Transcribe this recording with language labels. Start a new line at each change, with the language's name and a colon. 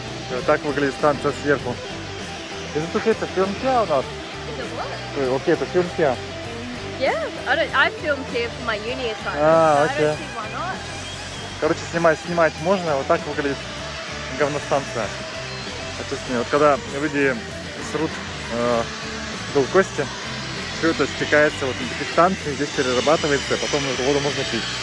Russian: Вот так выглядит станция сверху.
English: Is it okay to film here or not? Is it what? Okay, to film here. Yeah, I filmed here for my uni assignment. Ah, okay. I don't see why not.
Russian: Короче, снимать можно, вот так выглядит говностанция. Очистные. Вот когда люди срут Голд Косте, все это стекается вот на такие станции, здесь перерабатывается, потом эту воду можно пить.